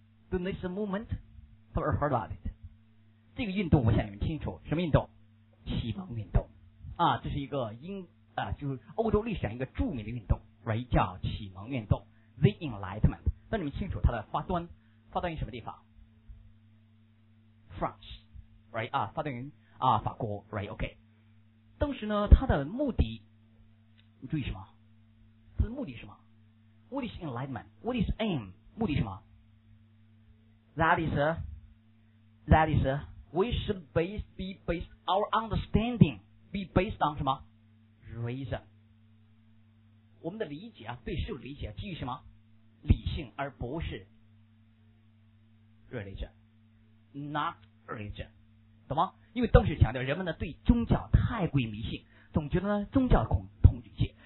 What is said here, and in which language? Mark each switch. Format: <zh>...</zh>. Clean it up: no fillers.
<en>The next movement， have you heard about it？</en> <zh>这个运动我想你们清楚，什么运动？启蒙运动啊，这是一个就是欧洲历史上一个著名的运动，叫启蒙运动 ，The Enlightenment。那你们清楚它的发端，发端于什么地方 ？France，right 啊，发端于啊法国 ，right OK。当时呢，它的目的，你注意什么？它的目的是什么？</zh> <en>What is enlightenment? What is aim?</en> <zh>目的什么？</zh> <en>That is we should be based our understanding be based on 什么？ Reason。</en> <zh>我们的理解啊，对事物理解基于什么？理性，而不是 religion， not religion， 懂吗？因为当时强调人们呢对宗教太过迷信，总觉得呢宗教恐同一切。</zh>